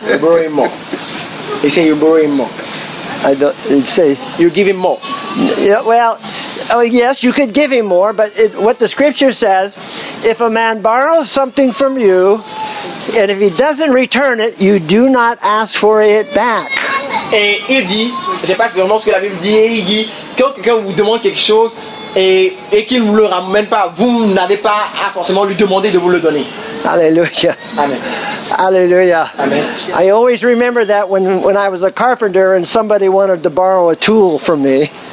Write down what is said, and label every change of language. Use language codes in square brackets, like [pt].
[en] You borrow him more. He say you borrow him more. I don't say you give him more. Yeah, well, oh, yes, you could give him more, but what the scripture says, if a man borrows something from you, and if he doesn't return it, you do not ask for it back. [fr] Et il dit, je sais pas vraiment ce que la Bible dit, et il dit, quand quelqu'un vous demande quelque chose et qu'il ne vous le ramène pas, vous n'avez pas à forcément lui demander de vous le donner. Alléluia. Amen. [en] Hallelujah. Amen. I always remember that when I was a carpenter and somebody wanted to borrow a tool from me.